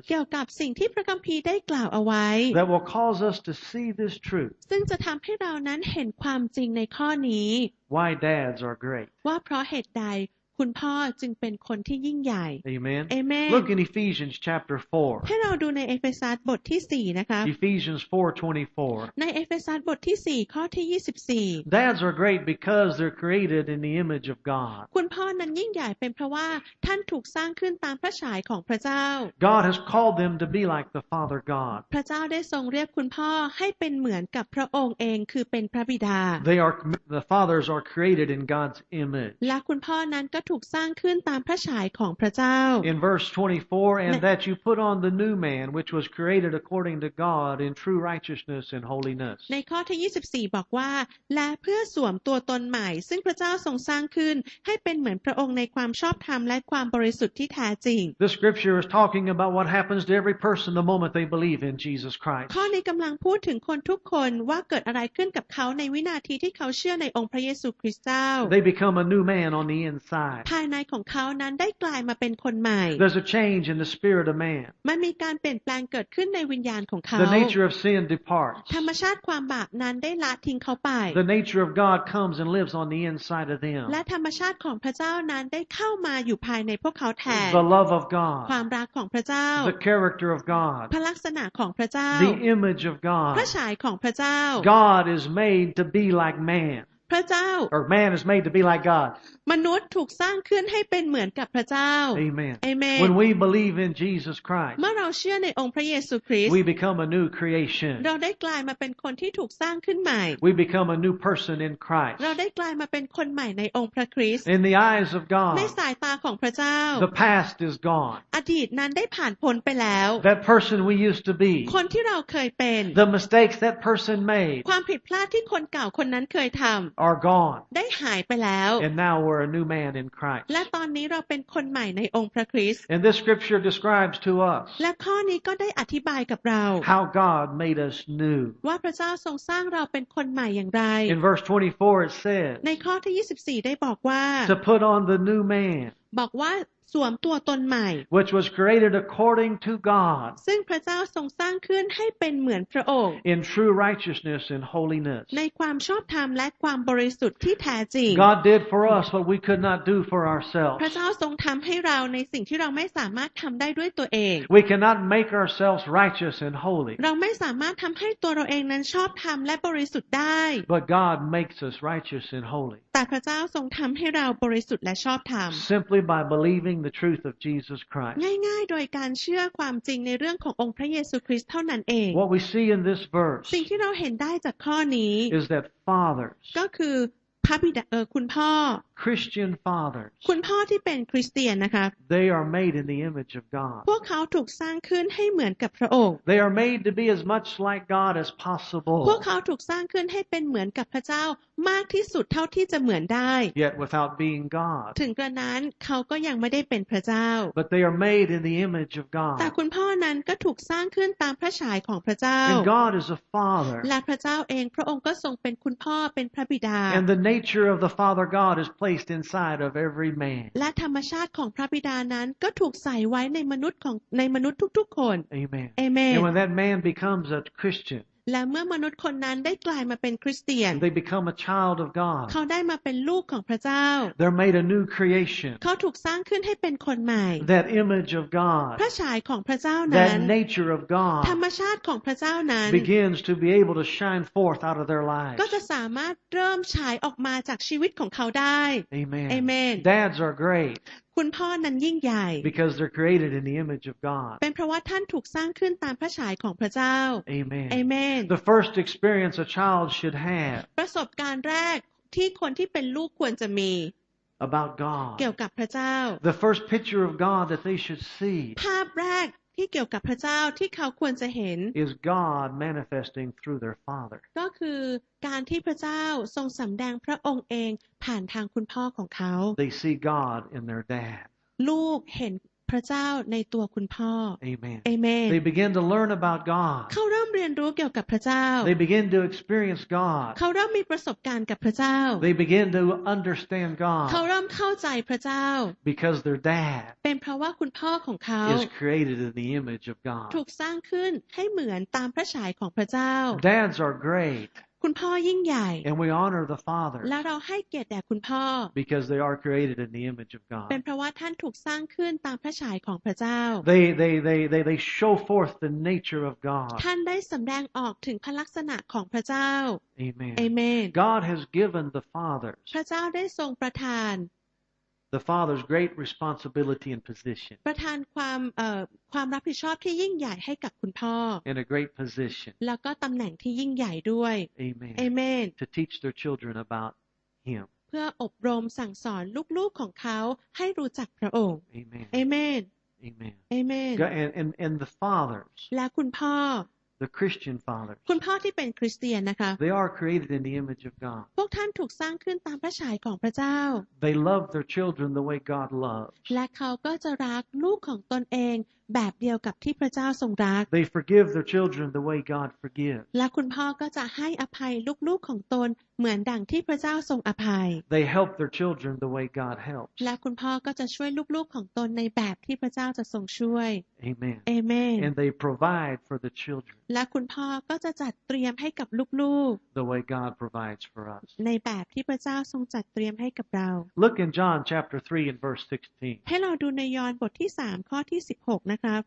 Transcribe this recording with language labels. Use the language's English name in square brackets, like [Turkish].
[Thai] เกี่ยวกับสิ่งที่พระคัมภีร์ได้กล่าวเอาไว้ [English] That will cause us to see this truth. [Thai] ซึ่งจะทำให้เรานั้นเห็นความจริงในข้อนี้ [English] Why dads are great. [Thai] ว่าเพราะเหตุใดคุณพ่อจึงเป็นคนที่ยิ่งใหญ่ [English] Amen. Amen. Look in Ephesians chapter 4. [Thai] ให้เราดูในเอเฟซัสบทที่4นะคะ [English] Ephesians 4:24. [Thai] ในเอเฟซัสบทที่4ข้อที่24 [English] Dads are great because they're created in the image of God. [Thai] คุณพ่อนั้นยิ่งใหญ่เป็นเพราะว่าท่านถูกสร้างขึ้นตามพระฉายของพระเจ้า [English] God has called them to be like the Father God. [Thai] พระเจ้าได้ทรงเรียกคุณพ่อให้เป็นเหมือนกับพระองค์เองคือเป็นพระบิดา [English] They are the fathers are created in God's image. [Thai] และคุณพ่อนั้นก็ถูกสร้างขึ้นตามพระฉายของพระเจ้า [English] In verse 24 and that you put on the new man which was created according to God in true righteousness and holiness [Thai] ในข้อที่24บอกว่าและเพื่อสวมตัวตนใหม่ซึ่งพระเจ้าทรงสร้างขึ้นให้เป็นเหมือนพระองค์ในความชอบธรรมและความบริสุทธิ์ที่แท้จริง [English] The scripture is talking about what happens to every person the moment they believe in Jesus Christ [Thai] ข้อนี้กำลังพูดถึงคนทุกคนว่าเกิดอะไรขึ้นกับเขาในวินาทีที่เขาเชื่อในองค์พระเยซูคริสต์เจ้า [English] They become a new man on the inside [Thai] ภายในของเขานั้นได้กลายมาเป็นคนใหม่ [English] There's a change in the spirit of man [Thai] มันมีการเปลี่ยนแปลงเกิดขึ้นในวิญญาณของเขา [English] The nature of sin departs [Thai] ธรรมชาติความบาปนั้นได้ละทิ้งเขาไป [English] The nature of God comes and lives on the inside of them [Thai] และธรรมชาติของพระเจ้านั้นได้เข้ามาอยู่ภายในพวกเขาแทน [English] The love of God [Thai] ความรักของพระเจ้า [English] The character of God [Thai] พระลักษณะของพระเจ้า [English] The image of God [Thai] พระฉายของพระเจ้า [English] God is made to be like man [Thai] พระเจ้า [English] Or man is made to be like God. [Thai] มนุษย์ถูกสร้างขึ้นให้เป็นเหมือนกับพระเจ้า [English] Amen. Amen. When we believe in Jesus Christ, [Thai] เมื่อเราเชื่อในองค์พระเยซูคริสต์ [English] We become a new creation. [Thai] เราได้กลายมาเป็นคนที่ถูกสร้างขึ้นใหม่ [English] We become a new person in Christ. [Thai] เราได้กลายมาเป็นคนใหม่ในองค์พระคริสต์ [English] In the eyes of God, [Thai] ในสายตาของพระเจ้า [English] The past is gone. [Thai] อดีตนั้นได้ผ่านพ้นไปแล้ว [English] That person we used to be, [Thai] คนที่เราเคยเป็น [English] The mistakes that person made, [Thai] ความผิดพลาดที่คนเก่าคนนั้นเคยทำ [English] Are gone. [Thai] ได้หายไปแล้ว [English] And now we're a new man in Christ. [Thai] และตอนนี้เราเป็นคนใหม่ในองค์พระคริสต์ [English] And this scripture describes to us. [Thai] และข้อนี้ก็ได้อธิบายกับเรา [English] How God made us new. [Thai] ว่าพระเจ้าทรงสร้างเราเป็นคนใหม่อย่างไร [English] In verse 24 it says. [Thai] ในข้อที่24ได้บอกว่า [English] To put on the new man. [Thai] บอกว่าสวมตัวตนใหม่ [English] Which was created according to God. [Thai] ซึ่งพระเจ้าทรงสร้างขึ้นให้เป็นเหมือนพระองค์ [English] In true righteousness and holiness. [Thai] ในความชอบธรรมและความบริสุทธิ์ที่แท้จริง [English] God did for us what we could not do for ourselves. [Thai] พระเจ้าทรงทำให้เราในสิ่งที่เราไม่สามารถทำได้ด้วยตัวเอง [English] We cannot make ourselves righteous and holy. [Thai] เราไม่สามารถทำให้ตัวเราเองนั้นชอบธรรมและบริสุทธิ์ได้ [English] But God makes us righteous and holy. [Thai] แต่พระเจ้าทรงทำให้เราบริสุทธิ์และชอบธรรม [English] Simply by believing the truth of Jesus Christ [Thai] ง่ายๆโดยการเชื่อความจริงในเรื่องขององค์พระเยซูคริสต์เท่านั้นเอง [English] What we see in this verse [Thai] สิ่งที่เราเห็นได้จากข้อนี้ [English] is that fathers [Thai] ก็คือพระบิดาคุณพ่อ [English] Christian fathers [Thai] คุณพ่อที่เป็นคริสเตียนนะคะ [English] They are made in the image of God [Thai] พวกเขาถูกสร้างขึ้นให้เหมือนกับพระองค์ [English] They are made to be as much like God as possible [Thai] พวกเขาถูกสร้างขึ้นให้เป็นเหมือนกับพระเจ้ามากที่สุดเท่าที่จะเหมือนได้ [English] Yet without being God [Thai] ถึงกระนั้นเขาก็ยังไม่ได้เป็นพระเจ้า [English] But they are made in the image of God [Thai] แต่คุณพ่อนั้นก็ถูกสร้างขึ้นตามพระฉายของพระเจ้า [English] And God is a father [Thai] และพระเจ้าเองพระองค์ก็ทรงเป็นคุณพ่อเป็นพระบิดา [English] And the nature of the Father God is placed inside of every man [Thai] และธรรมชาติของพระบิดานั้นก็ถูกใส่ไว้ในมนุษย์ของในมนุษย์ทุกๆคน [English] Amen Amen And when that man becomes a Christian [Thai] และเมื่อมนุษย์คนนั้นได้กลายมาเป็นคริสเตียน [English] They become a child of God [Thai] เขาได้มาเป็นลูกของพระเจ้า [English] They're made a new creation [Thai] เขาถูกสร้างขึ้นให้เป็นคนใหม่ [English] That image of God [Thai] พระฉายของพระเจ้านั้น [English] That nature of God [Thai] ธรรมชาติของพระเจ้านั้น [English] begins to be able to shine forth out of their lives [Thai] ก็จะสามารถเริ่มฉายออกมาจากชีวิตของเขาได้ [English] Amen Amen Dads are great [Thai] คุณพ่อนั้นยิ่งใหญ่ [English] Because they're created in the image of God [Thai] เป็นเพราะว่าท่านถูกสร้างขึ้นตามพระฉายของพระเจ้า [English] Amen Amen The first experience a child should have [Thai] ประสบการณ์แรกที่คนที่เป็นลูกควรจะมี [English] About God [Thai] เกี่ยวกับพระเจ้า [English] The first picture of God that they should see [Thai] ภาพแรกที่เกี่ยวกับพระเจ้าที่เขาควรจะเห็น [English] is God manifesting through their father [Thai] ก็คือการที่พระเจ้าทรงสำแดงพระองค์เองผ่านทางคุณพ่อของเขา [English] they see God in their dad [Thai] ลูกเห็นพ ระเจ้าในตัวคุณพ่ อ [English] Amen. Amen. They begin to learn about God. [Thai] เขาเริ่มเรียนรู้เกี่ยวกับพระเจ้า [English] They begin to experience God. [Thai] เขาเริ่มมีประสบการณ์กับพระเจ้า [English] They begin to understand God. [Thai] เขาเริ่มเข้าใจพระเจ้า [English] Because their dad. [Thai] เป็นเพราะว่าคุณพ่อของเขา [English] is created in the image of God. [Thai] ถูกสร้างขึ้นให้เหมือนตามพระฉายของพระเจ้า [English] Dads are great. [Thai] คุณพ่อยิ่งใหญ่ [English] And we honor the Father [Thai] และเราให้เกียรติแด่คุณพ่อ [English] Because they are created in the image of God [Thai] เป็นเพราะว่าท่านถูกสร้างขึ้นตามพระฉายของพระเจ้า [English] They show forth the nature of God [Thai] ท่านได้สําแดงออกถึงพระลักษณะของพระเจ้า [English] Amen Amen God has given the fathers [Thai] พระเจ้าได้ทรงประทาน [English] The father's great responsibility and position. [Thai] ประทานความรับผิดชอบที่ยิ่งใหญ่ให้กับคุณพ่อ [English] In a great position. [Thai] แล้วก็ตำแหน่งที่ยิ่งใหญ่ด้วย [English] Amen. Amen. To teach their children about him. [Thai] เพื่ออบรมสั่งสอนลูกๆของเขาให้รู้จักพระองค์ [English] Amen. Amen. Amen. Amen. And the fathers. [Thai] และคุณพ่อ [English] The Christian fathers. [Thai] คุณพ่อที่เป็นคริสเตียนนะคะ [English] They are created in the image of God. [Thai] พวกท่านถูกสร้างขึ้นตามพระฉายของพระเจ้า [English] They love their children the way God loves [Thai] และเขาก็จะรักลูกของตนเองแบบเดียวกับที่พระเจ้าทรงรัก [English] They forgive their children the way God forgives [Thai] และคุณพ่อก็จะให้อภัยลูกๆของตนเหมือนดังที่พระเจ้าทรงอภัย [English] They help their children the way God helps [Thai] และคุณพ่อก็จะช่วยลูกๆของตนในแบบที่พระเจ้าจะทรงช่วย [English] Amen Amen And they provide for the children [Thai] และคุณพ่อก็จะจัดเตรียมให้กับลูก [English] ๆ The way God provides for us [Thai] ในแบบที่พระเจ้าทรงจัดเตรียมให้กับเรา [English] Look in John chapter 3 and verse 16 [Thai] ให้เราดูในยอห์นบทที่3ข้อที่16นะครับ